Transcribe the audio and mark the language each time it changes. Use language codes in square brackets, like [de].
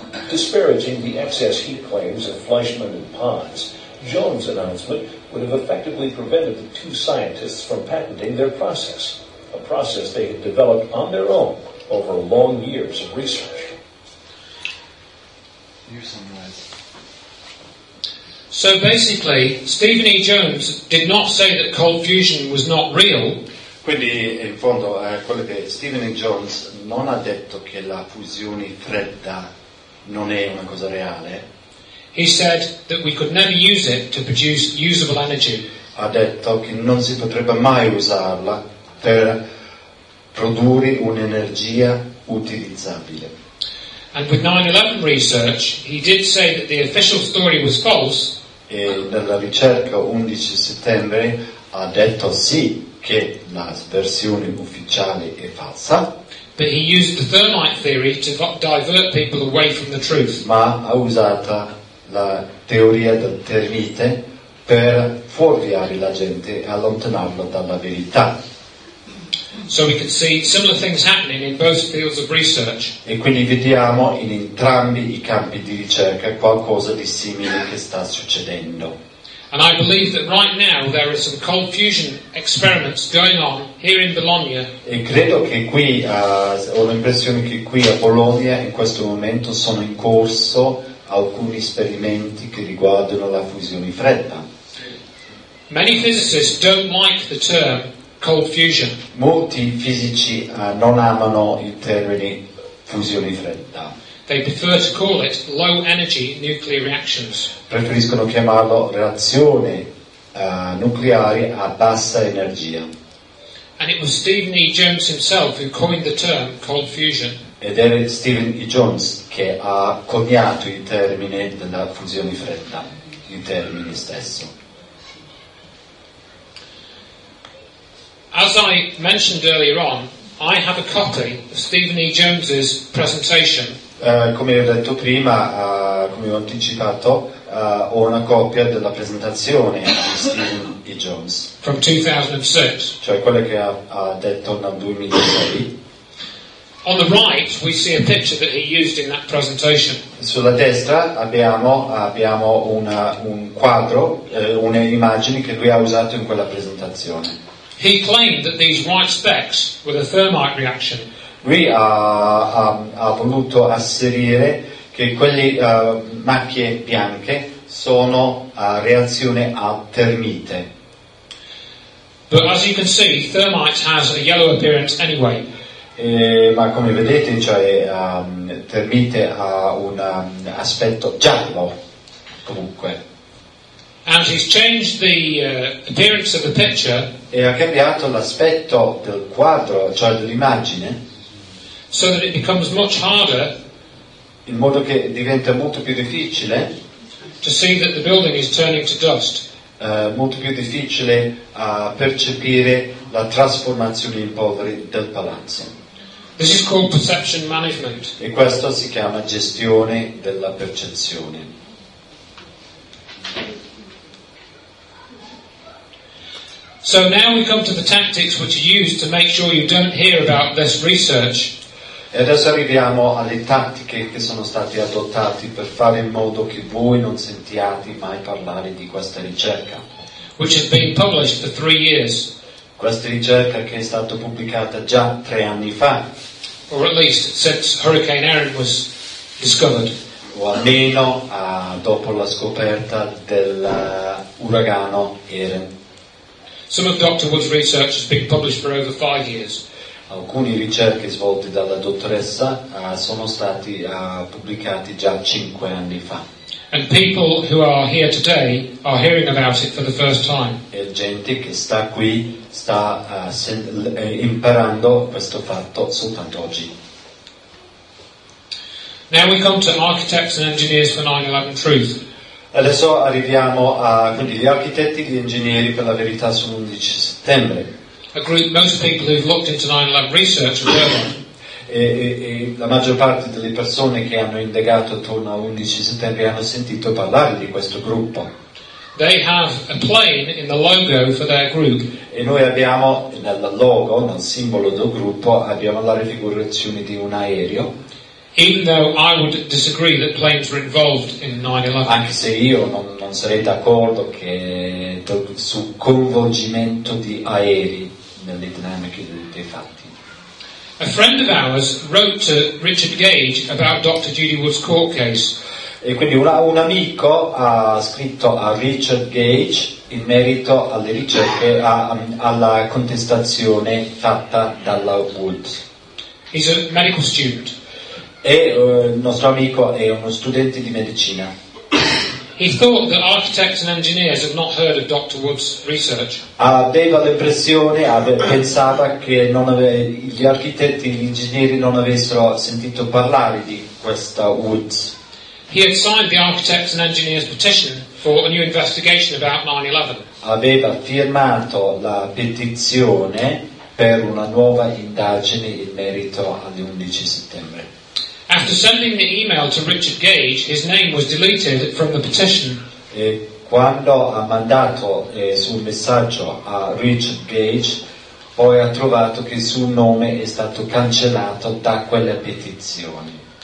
[en] Disparaging the excess heat claims of Fleischmann and Pons, Jones' announcement would have effectively prevented the two scientists from patenting their process, a process they had developed on their own over long years of research. So basically, Stephen E. Jones did not say that cold fusion was not real. [it] Quindi, in fondo, quello che Stephen E. Jones non ha detto che la fusione fredda non è una cosa reale. [en] He said that we could never use it to produce usable energy. [it] Ha detto che non si potrebbe mai usarla per produrre un'energia utilizzabile. [en] And with 9/11 research, he did say that the official story was false. [it] E nella ricerca 11 settembre ha detto sì che la versione ufficiale è falsa. [en] But he used the thermite theory to divert people away from the truth. [it] Ma ha usato la teoria del termite per fuorviare la gente e allontanarla dalla verità. [en] So we can see similar things happening in both fields of research. [it] E quindi vediamo in entrambi i campi di ricerca qualcosa di simile che sta succedendo. [en] And I believe that right now there are some cold fusion experiments going on here in Bologna. [it] E credo che qui ho l'impressione che qui a Bologna in questo momento sono in corso alcuni esperimenti che riguardano la fusione fredda. [en] Many physicists don't like the term cold fusion. [it] Molti fisici non amano il termine fusione fredda. [en] They prefer to call it low energy nuclear reactions. [it] Preferiscono chiamarlo reazione nucleare a bassa energia. [en] And it was Stephen E. Jones himself who coined the term cold fusion. [it] Ed era Stephen E. Jones che ha coniato il termine della fusione fredda, il termine stesso. [en] As I mentioned earlier on, I have a copy of Stephen E. Jones's presentation. [it] Come ho detto prima, come ho anticipato, ho una copia della presentazione di Stephen E. Jones. [en] From 2006. [it] Cioè quella che ha detto nel 2006. [en] On the right we see a picture that he used in that presentation. [it] Sulla destra abbiamo un quadro, un'immagine che lui ha usato in quella presentazione. [en] He claimed that these white specks were the thermite reaction. [it] Lui ha voluto asserire che quelle macchie bianche sono reazione a termite. [en] But as you can see, thermite has a yellow appearance anyway. [it] Ma come vedete, cioè, termite ha un aspetto giallo, comunque. [en] And he's changed the appearance of the picture. [it] E ha cambiato l'aspetto del quadro, cioè dell'immagine. [en] So that it becomes much harder. [it] In modo che diventa molto più difficile. [en] To see that the building is turning to dust. [it] Molto più difficile a percepire la trasformazione in polvere del palazzo. [en] This is called perception management. [it] E questo si chiama gestione della percezione. [en] So now we come to the tactics which are used to make sure you don't hear about this research. [it] E adesso arriviamo alle tattiche che sono state adottate per fare in modo che voi non sentiate mai parlare di questa ricerca. [en] Which has been published for 3 years. [it] Questa ricerca che è stata pubblicata già 3 anni fa. [en] Or at least since Hurricane Erin was discovered. [it] O almeno dopo la scoperta del uragano Erin. [en] Some of Dr. Wood's research has been published for over 5 years. [it] Alcune ricerche svolte dalla dottoressa sono stati pubblicati già 5 anni fa. [en] And people who are here today are hearing about it for the first time. [it] E gente che sta qui sta imparando questo fatto soltanto oggi. [en] Now we come to Architects and Engineers for 9/11 Truth. [it] Adesso arriviamo a quindi gli architetti e gli ingegneri per la verità sull'11 settembre. [en] A group most people who've looked into 9/11 research have heard of. [it] E la maggior parte delle persone che hanno indagato attorno all'11 settembre hanno sentito parlare di questo gruppo. [en] They have a plane in the logo for their group. [it] E noi abbiamo nel logo, nel simbolo del gruppo, abbiamo la raffigurazione di un aereo. [en] Even though I would disagree that planes were involved in 9/11. [it] Anche se io non sarei d'accordo che sul coinvolgimento di aerei nelle dinamiche dei fatti. [en] A friend of ours wrote to Richard Gage about Dr. Judy Wood's court case. [it] E quindi un amico ha scritto a Richard Gage in merito alle ricerche alla contestazione fatta dalla Wood. [en] He's a medical student. [it] E il nostro amico è uno studente di medicina. [en] He thought that architects and engineers have not heard of Dr. Wood's research. [it] Aveva l'impressione, pensava che gli architetti e gli ingegneri non avessero sentito parlare di questa Woods. [en] He had signed the architects and engineers petition for a new investigation about 9/11. [it] Aveva firmato la petizione per una nuova indagine in merito agli 11 settembre. [en] After sending the email to Richard Gage, his name was deleted from the petition. [it] E quando ha mandato sul messaggio a Richard Gage, poi ha trovato che il suo nome è stato cancellato da quella petizione.